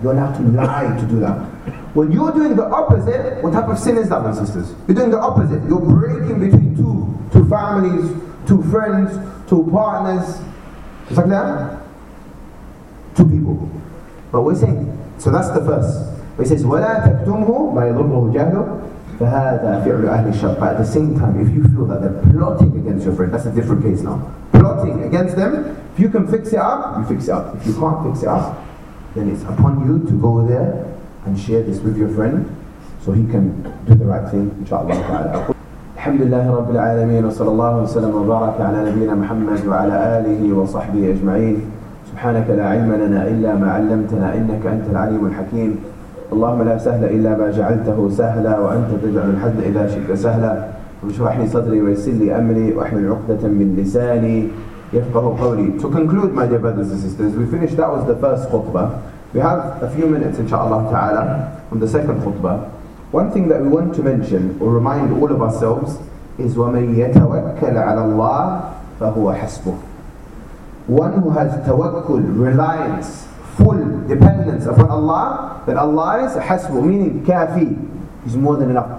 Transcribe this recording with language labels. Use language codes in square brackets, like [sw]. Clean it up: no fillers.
[en] You're allowed to lie to do that. When you're doing the opposite, what type of sin is that, my sisters? You're doing the opposite. You're breaking between two families, 2 friends, 2 partners. Just like that? 2 people. But we're saying, so that's the first. But he says, [ar] وَلَا تَكْتُمْهُ مَيْضُرُّهُ جَهْلُ فَهَذَا فِعْلُ أَهْلِ الشَّرِّ. [en] But at the same time, if you feel that they're plotting against your friend, that's a different case now. Plotting against them, if you can fix it up, you fix it up. If you can't fix it up, then it's upon you to go there and share this with your friend so he can do the right thing, inshaAllah ta'ala. [ar] الحمد لله رب العالمين وصلى الله وسلم وبارك على نبينا محمد وعلى آله وصحبه أجمعين. سبحانك لا علم لنا إلا ما علمتنا إنك أنت العليم الحكيم. اللهم لا سهل إلا ما جعلته سهلا وأنت تجعل الحزن إذا شئت سهلا. اشرح لي صدري ويسر لي أمري واحلل عقدة من لساني يفقه قولي. [en] To conclude, my dear brothers and sisters, we finished, that was the first khutbah. We have a few minutes, inshallah ta'ala, from the second khutbah. One thing that we want to mention or remind all of ourselves is [ar] وَمَنْ يَتَوَكَّلْ عَلَى اللَّهِ فَهُوَ حَسْبُهُ. [en] One who has tawakkul, reliance, full dependence upon Allah, then Allah is حَسْبُهُ, meaning kafi, is more than enough.